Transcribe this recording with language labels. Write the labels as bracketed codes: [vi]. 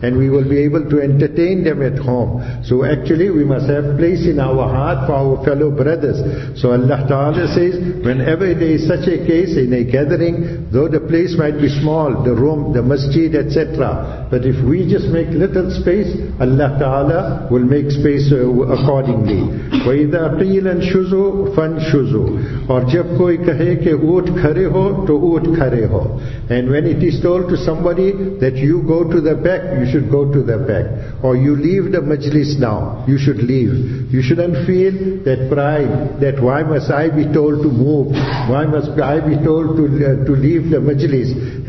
[en] And we will be able to entertain them at home. So actually, we must have place in our heart for our fellow brothers. So Allah Ta'ala says, whenever there is such a case in a gathering, though the place might be small, the room, the masjid, etc. But if we just make little space, Allah Ta'ala will make space accordingly. [ar] وَإِذَا قِيلَ انشُزُوا فَانشُزُوا [ur] اور جب کوئی کہے کہ اوٹ کھرے ہو تو اوٹ کھرے ہو. [en] And when it is told to somebody that you go to the back, you should go to the back. Or you leave the majlis now, you should leave. You shouldn't feel that pride, that why must I be told to move? Why must I be told to leave the majlis?